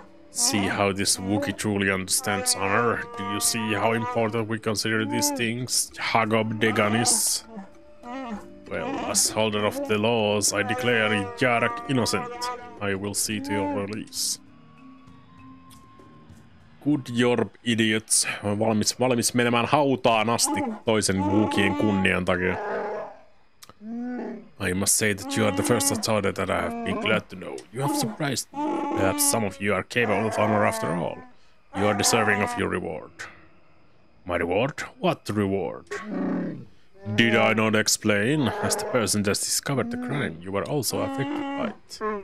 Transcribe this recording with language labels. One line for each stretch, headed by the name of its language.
English: See how this Wookiee truly understands honor? Do you see how important we consider these things, Hagob Deganis? Well, as holder of the laws, I declare Jarak innocent. I will see to your release. Good job, idiots.
Finnish: On valmis menemään hautaan asti toisen Wookien kunnian takia.
English: I must say that you are the first authority that I have been glad to know. You have surprised me. Perhaps some of you are capable of honor after all. You are deserving of your reward. My reward? What reward? Did I not explain? As the person that discovered the crime, you were also affected by it.